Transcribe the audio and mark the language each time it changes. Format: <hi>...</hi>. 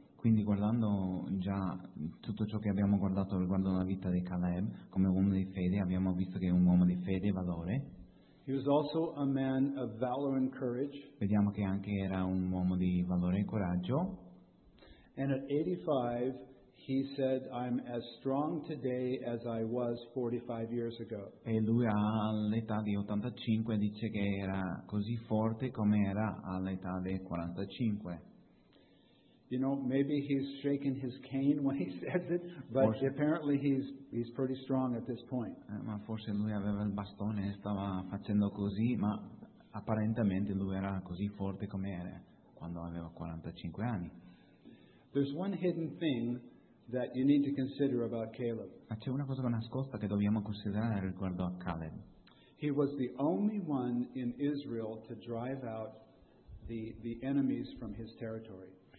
<it>Quindi guardando già tutto ciò che abbiamo guardato riguardo la vita di Caleb come uomo di fede, abbiamo visto che è un uomo di fede e valore.</it> <en>He was also a man of valor and courage.</en> <it>Vediamo che anche era un uomo di valore e coraggio.</it> <en>And at 85, he said, "I'm as strong today as I was 45 years ago."</en> <it>E lui all'età di 85 dice che era così forte come era all'età dei 45.</it> <en>You know, maybe he's shaking his cane when he says it, but</en> <it>forse,</it> <en>apparently he's pretty strong at this point.</en> <it>Ma forse lui aveva il bastone e stava facendo così, ma apparentemente lui era così forte come era quando aveva 45 anni.</it> <en>There's one hidden thing that you need to consider about Caleb.</en> <it>Ma c'è una cosa nascosta che dobbiamo considerare riguardo a Caleb.</it> <en>He was the only one in Israel to drive out the enemies from his territory.</en>